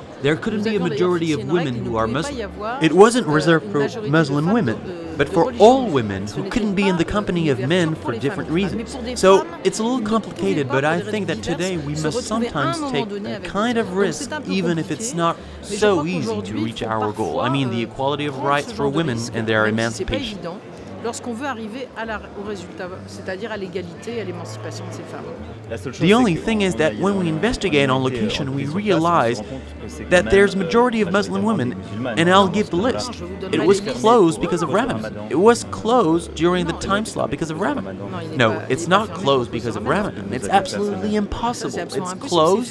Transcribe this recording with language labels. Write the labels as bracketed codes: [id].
[en] There couldn't be a majority of women who are Muslim. It wasn't reserved for Muslim women, but for all women who couldn't be in the company of men for different reasons. So it's a little complicated, but I think that today we must sometimes take a kind of risk, even if it's not so easy to reach our goal. I mean, the equality of rights for women and their emancipation. [fr] Lorsqu'on veut arriver à la, au résultat, c'est-à-dire à l'égalité et à l'émancipation de ces femmes. [en] The only thing is that when we investigate on location, we realize that there's a majority of Muslim women, and I'll give the list. It was closed because of Ramadan. It was closed during the time slot because of Ramadan. No, it's not closed because of Ramadan. It's absolutely impossible. It's closed.